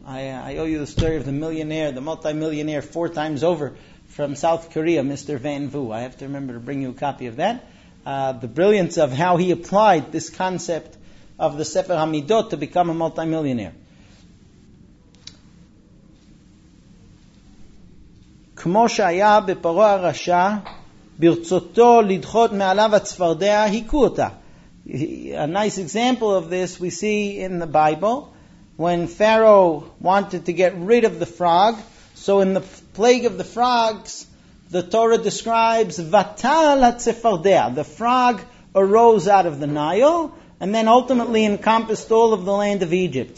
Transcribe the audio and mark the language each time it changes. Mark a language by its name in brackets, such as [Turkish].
[English] I owe you the story of the millionaire, the multimillionaire four times over from South Korea, Mr. Van Vu. I have to remember to bring you a copy of that. The brilliance of how he applied this concept of the Sefer HaMidot to become a multimillionaire. [Hebrew] כמו שהיה בפרו הרשע, ברצותו לדחות מעליו הצפרדע, היכו אותה. [English] A nice example of this we see in the Bible, when Pharaoh wanted to get rid of the frog, so in the plague of the frogs, the Torah describes, [Hebrew] ותעל הצפרדע, [English] the frog arose out of the Nile, and then ultimately encompassed all of the land of Egypt.